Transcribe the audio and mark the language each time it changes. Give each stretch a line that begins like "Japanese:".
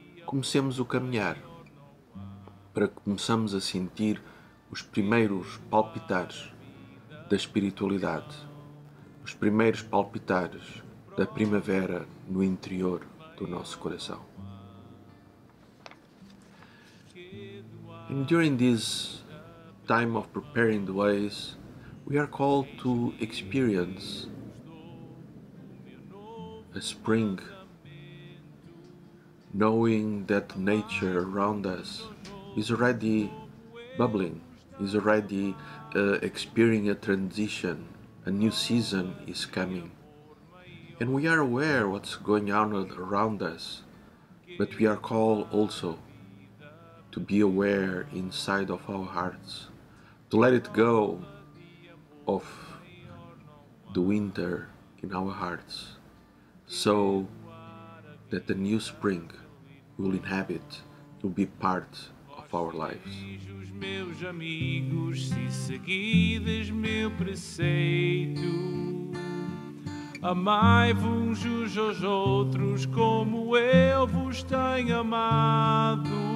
Portuguese: comecemos o caminhar, para que começamos a sentir os primeiros palpitares da espiritualidade, os primeiros palpitares da primavera no interior do nosso coração.
English: And during this time of preparing the ways, we are called to experience a spring, knowing that nature around us is already bubbling, is already experiencing a transition, a new season is coming. And we are aware what's going on around us, but we are called also to be aware inside of our hearts, to let it go of the winter in our hearts, so that the new spring will inhabit, will be part of our lives.
Portuguese: Meus amigos, se seguides meu preceito, amai-vos uns aos outros como eu vos tenho amado.